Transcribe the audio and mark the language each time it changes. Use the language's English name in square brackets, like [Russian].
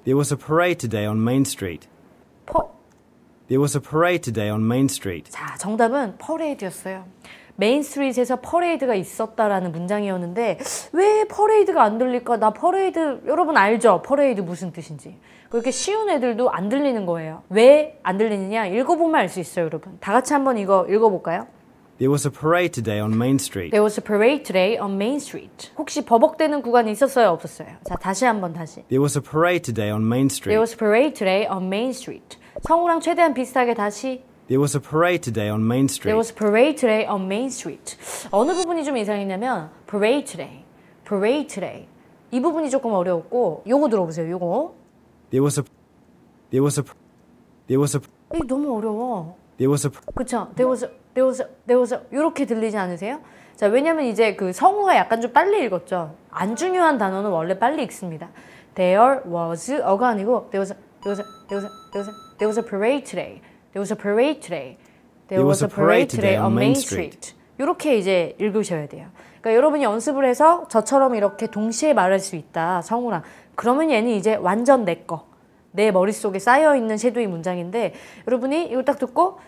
[English] There was a parade today on Main Street. There was a parade today on Main Street. [Korean] 자, 정답은 퍼레이드였어요. 메인스트리트에서 퍼레이드가 있었다라는 문장이었는데, 왜 퍼레이드가 안 들릴까? 나 퍼레이드, 여러분 알죠? 퍼레이드 무슨 뜻인지. 그렇게 쉬운 애들도 안 들리는 거예요. 왜 안 들리느냐? 읽어보면 알 수 있어요, 여러분. 다 같이 한번 이거 읽어볼까요? [English] There was a parade today on Main Street. There was a parade today on Main Street. [Korean] 혹시 버벅대는 구간이 있었어요, 없었어요? 자, 다시 한번 다시. [English] There was a parade today on Main Street. There was a parade today on Main Street. [Korean] 성우랑 최대한 비슷하게 다시. [English] There was a parade today on Main Street. There was a parade today on Main Street. [Korean] 어느 부분이 좀 이상했냐면 [English] parade today. Parade today. [Korean] 이 부분이 조금 어려웠고 요거 들어보세요. 요거. [English] There was a There was a There was a [Korean] 이 너무 어려워. [English] There was a [Korean] 그쵸? [English] There was a There was a, there was a, [Korean] 이렇게 들리지 않으세요? 자, 왜냐면 이제 그 성우가 약간 좀 빨리 읽었죠. 안 중요한 단어는 원래 빨리 읽습니다. [English] There was a가 [Korean] 아니고 [English] there was a parade today. There was a parade today. There was a parade today on Main Street. [Korean] 이렇게 이제 읽으셔야 돼요. 그러니까 여러분이 연습을 해서 저처럼 이렇게 동시에 말할 수 있다, 성우랑. 그러면 얘는 이제 완전 내 거. 내 머릿속에 쌓여있는 섀도잉 문장인데, 여러분이 이거 딱 듣고